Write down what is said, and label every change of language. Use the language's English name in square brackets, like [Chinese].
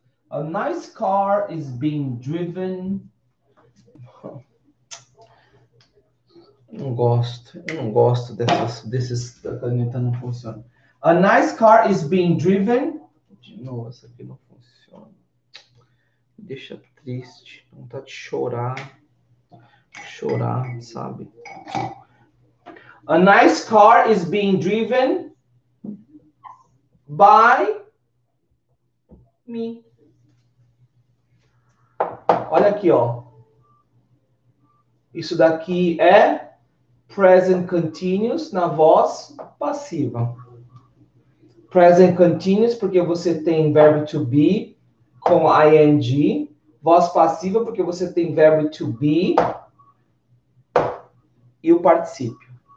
[English] A nice car is being driven. [Portuguese] Não gosto desses da caneta não funciona. [English] A nice car is being driven. [Portuguese] De novo, essa aqui não funciona. Me deixa triste. Vontade de chorar. Chorar, sabe? [English] A nice car is being driven by me. [Portuguese] Olha aqui, ó. Isso daqui é present continuous na voz passiva. Present continuous porque você tem verbo to be com ing. Voz passiva porque você tem verbo to be e o particípio.